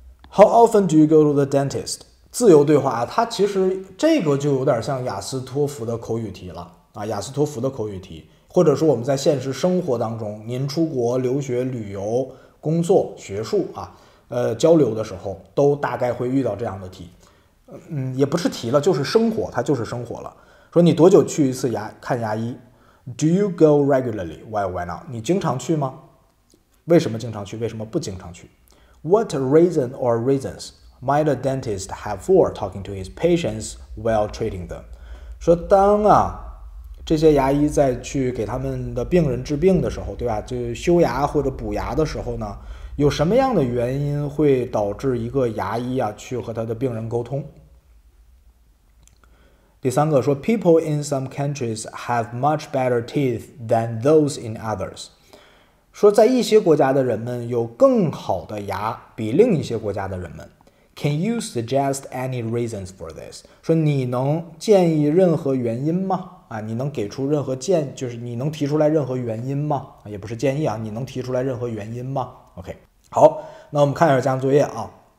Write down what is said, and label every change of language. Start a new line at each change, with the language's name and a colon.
English: How often do you go to the dentist?
Chinese: 自由对话，它其实这个就有点像雅思托福的口语题了，雅思托福的口语题，或者说我们在现实生活当中，您出国留学、旅游、工作、学术啊，交流的时候，都大概会遇到这样的题。也不是题了，就是生活，它就是生活了。说你多久去一次牙看牙医 ？
English: Do you go regularly? Why? Why not?
Chinese: 你经常去吗？为什么经常去？为什么不经常去？
English: What reason or reasons might a dentist have for talking to his patients while treating them?
Chinese: 说当啊，这些牙医在去给他们的病人治病的时候，对吧？就修牙或者补牙的时候呢，有什么样的原因会导致一个牙医啊去和他的病人沟通？第三个说
English: ，People in some countries have much better teeth than those in others.
Chinese: 说在一些国家的人们有更好的牙比另一些国家的人们。
English: Can you suggest any reasons for this?
Chinese: 说你能建议任何原因吗？啊，你能给出任何建，就是你能提出来任何原因吗？也不是建议啊，你能提出来任何原因吗 ？OK， 好，那我们看一下这项作业啊。